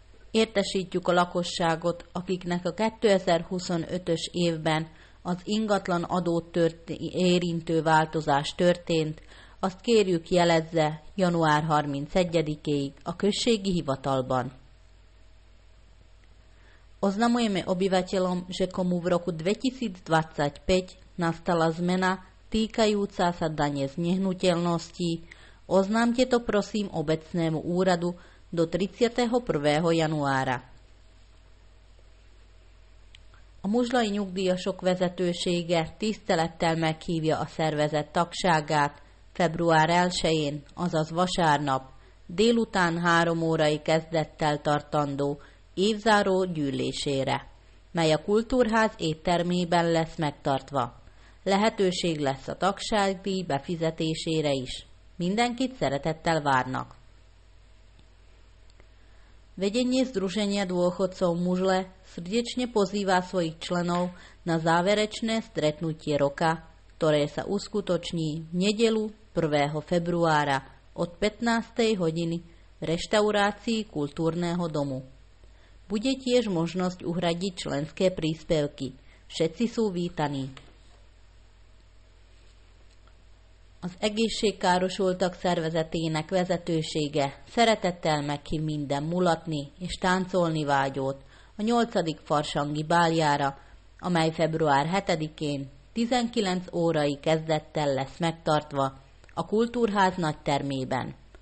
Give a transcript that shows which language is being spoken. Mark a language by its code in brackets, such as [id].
[hu] Értesítjük a lakosságot, akiknek a 2025-ös évben az ingatlan adót érintő változás történt, azt kérjük jelezze január 31-ig a községi hivatalban. [sk] Oznamujeme obyvateľom, že komu v roku 2025 nastala zmena týkajúca sa dane z nehnuteľností, oznámte to prosím obecnému úradu do 31. januára. [hu] A muzslai nyugdíjasok vezetősége tisztelettel meghívja a szervezet tagságát február 1-én, azaz vasárnap, délután 3 órai kezdettel tartandó évzáró gyűlésére, mely a kultúrház éttermében lesz megtartva. Lehetőség lesz a tagságdíj befizetésére is. Mindenkit szeretettel várnak. [sk] Vedenie Združenia dôchodcov Mužle srdečne pozýva svojich členov na záverečné stretnutie roka, ktoré sa uskutoční v nedeľu 1. februára od 15. hodiny v reštaurácii kultúrneho domu. Bude tiež možnosť uhradiť členské príspevky. Všetci sú vítaní. [hu] Az egészségkárosultak szervezetének vezetősége szeretettel meghív minden mulatni és táncolni vágyót a 8. farsangi báljára, amely február 7-én 19 órai kezdettel lesz megtartva a kultúrház nagytermében.